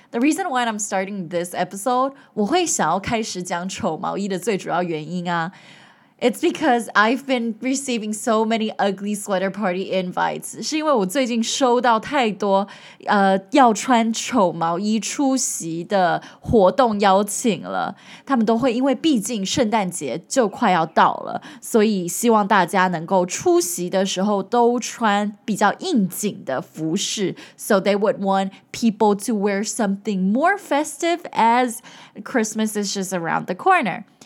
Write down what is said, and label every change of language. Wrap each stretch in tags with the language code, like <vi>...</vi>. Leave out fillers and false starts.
<en>The reason why I'm starting this episode,</en> <zh>我会想要开始讲丑毛衣的最主要原因啊,</zh> <en>it's because I've been receiving so many ugly sweater party invites.</en> <zh>是因为我最近收到太多, 要穿丑毛衣出席的活动邀请了。他们都会因为毕竟圣诞节就快要到了，所以希望大家能够出席的时候都穿比较应景的服饰。</zh> <en>So they would want people to wear something more festive as Christmas is just around the corner.</en>